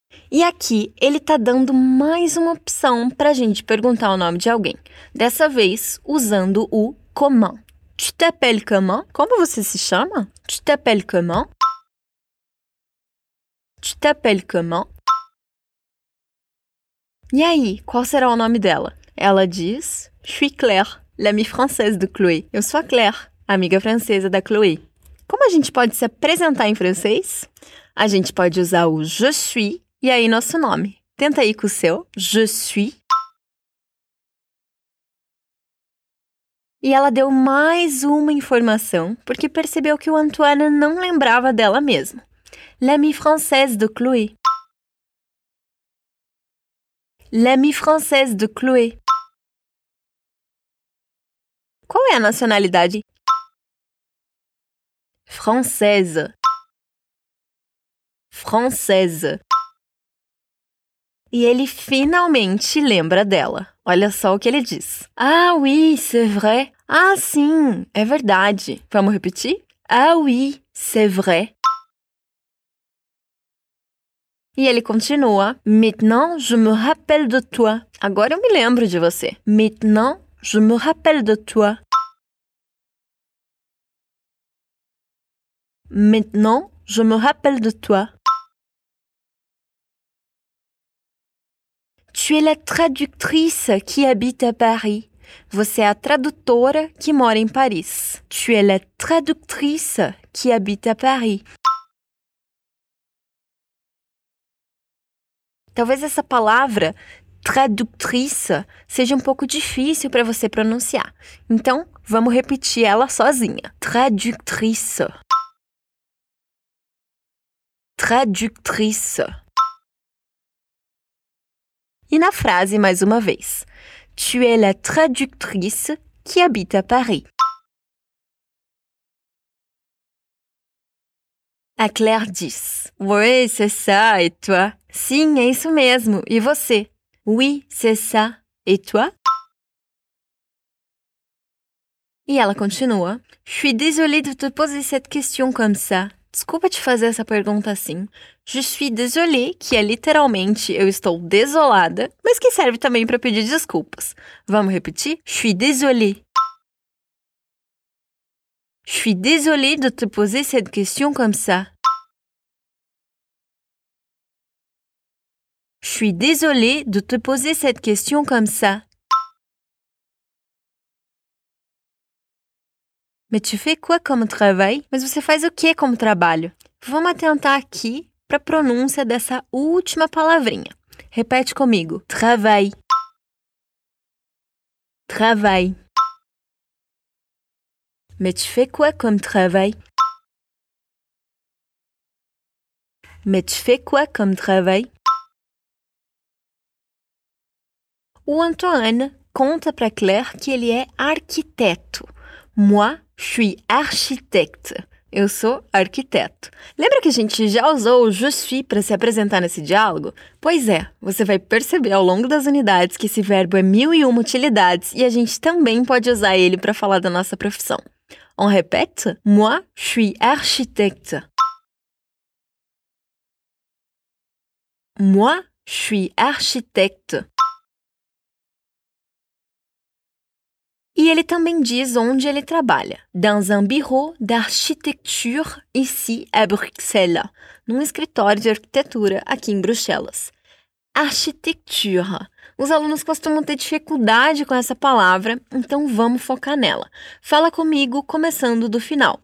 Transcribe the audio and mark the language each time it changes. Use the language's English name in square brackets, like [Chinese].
[Portuguese] E aqui, ele tá dando mais uma opção pra gente perguntar o nome de alguém. Dessa vez, usando o comment. [French] Tu t'appelles comment? [Portuguese] Como você se chama? [French] Tu t'appelles comment? Tu t'appelles comment? [Portuguese] E aí, qual será o nome dela? Ela diz... [French] Je suis Claire, l'ami française de Chloé. [Portuguese] Eu sou a Claire, amiga francesa da Chloé. Como a gente pode se apresentar em francês? A gente pode usar o je suis... E aí, nosso nome? Tenta aí com o seu. [French] Je suis. [Portuguese] E ela deu mais uma informação, porque percebeu que o Antoine não lembrava dela mesmo. [French] L'ami française de Chloé. L'ami française de Chloé. [Portuguese] Qual é a nacionalidade? [French] Française. Française. [Portuguese] E ele finalmente lembra dela. Olha só o que ele diz. [French] Ah, oui, c'est vrai. [Portuguese] Ah, sim, é verdade. Vamos repetir? [French] Ah, oui, c'est vrai. [Portuguese] E ele continua. [French] Maintenant, je me rappelle de toi. [Portuguese] Agora eu me lembro de você. [French] Maintenant, je me rappelle de toi. Maintenant, je me rappelle de toi. Tu es la traductrice qui habite à Paris. [Portuguese] Você é a tradutora que mora em Paris. [French] Tu es la traductrice qui habite à Paris. [Portuguese] Talvez essa palavra, traductrice, seja um pouco difícil para você pronunciar. Então, vamos repetir ela sozinha. [French] Traductrice. Traductrice. [Portuguese] E na frase, mais uma vez. [French] Tu es la traductrice qui habite à Paris. [Portuguese] A Claire diz. [French] Oui, c'est ça, et toi? [Portuguese] Sim, é isso mesmo. E você? [French] Oui, c'est ça, et toi? [Portuguese] E ela continua. [French] Je suis désolée de te poser cette question comme ça. [Portuguese] Desculpa te fazer essa pergunta assim. [French] Je suis désolée, [Portuguese] que é literalmente eu estou desolada, mas que serve também para pedir desculpas. Vamos repetir? [French] Je suis désolée. Je suis désolée de te poser cette question comme ça. Je suis désolée de te poser cette question comme ça. Mais tu fais quoi comme travail? [Portuguese] Mas você faz o que como trabalho? Vamos atentar aqui para a pronúncia dessa última palavrinha. Repete comigo. [French] Travail. Travail. Mais tu fais quoi comme travail? Mais tu fais quoi comme travail? [Portuguese] O Antoine conta para Claire que ele é arquiteto. [French] Moi, je suis architecte. [Portuguese] Eu sou arquiteto. Lembra que a gente já usou o je suis para se apresentar nesse diálogo? Pois é, você vai perceber ao longo das unidades que esse verbo é mil e uma utilidades e a gente também pode usar ele para falar da nossa profissão. [French] On répète? Moi, je suis architecte. Moi, je suis architecte. [Portuguese] E E ele também diz onde ele trabalha. [French] Dans un bureau d'architecture ici à Bruxelles. [Portuguese] Num escritório de arquitetura aqui em Bruxelas. Architecture. Os alunos costumam ter dificuldade com essa palavra, então vamos focar nela. Fala comigo, começando do final.